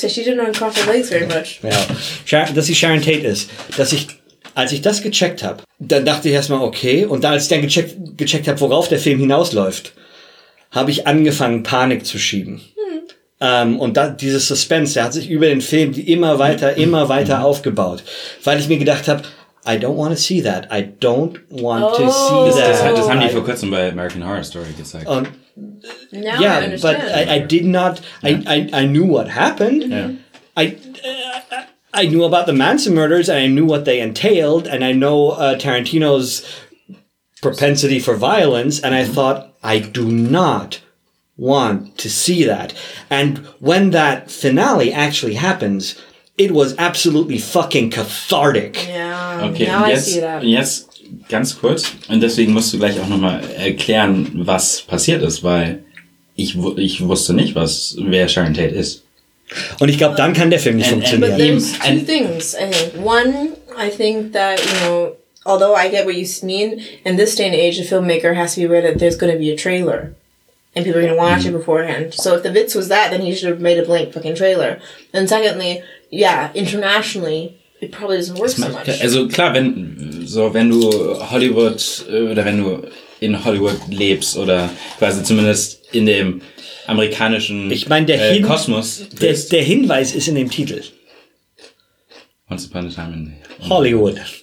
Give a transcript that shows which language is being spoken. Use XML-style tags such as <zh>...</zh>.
<de>sie Sharon Tate ist. Dass ich, als ich das gecheckt habe, dann dachte ich erstmal, okay. Und dann, als ich dann gecheckt habe, worauf der Film hinausläuft, habe ich angefangen, Panik zu schieben. Und da, dieses Suspense, der hat sich über den Film immer weiter aufgebaut. Weil ich mir gedacht habe,</de> <en>I don't want to see that.</en> <de>Das haben die vor kurzem bei American Horror Story gezeigt.</de> <en>Yeah, I but I did not. Yeah. I knew what happened. Yeah. I knew about the Manson murders and I knew what they entailed and I know Tarantino's propensity for violence and I thought I do not want to see that. And when that finale actually happens, it was absolutely fucking cathartic. Yeah. Okay. Now</en> <de>jetzt,</de> <en>I see that. Yes.</en> <de>Ganz kurz, und deswegen musst du gleich auch nochmal erklären, was passiert ist, weil ich wusste nicht, wer Sharon Tate ist. Und ich glaube, dann kann der Film nicht funktionieren.</de> <en>But there's two things. One, I think that, you know, although I get what you mean, in this day and age, a filmmaker has to be aware that there's going to be a trailer. And people are going to watch it beforehand. So if the Witz was that, then he should have made a blank fucking trailer. And secondly, yeah, internationally... It probably doesn't work so much.</en> <de>Also klar, wenn du Hollywood oder wenn du in Hollywood lebst oder quasi zumindest in dem amerikanischen Kosmos. Der Hinweis ist in dem Titel.</de> <en>Once Upon a Time in Hollywood.</en>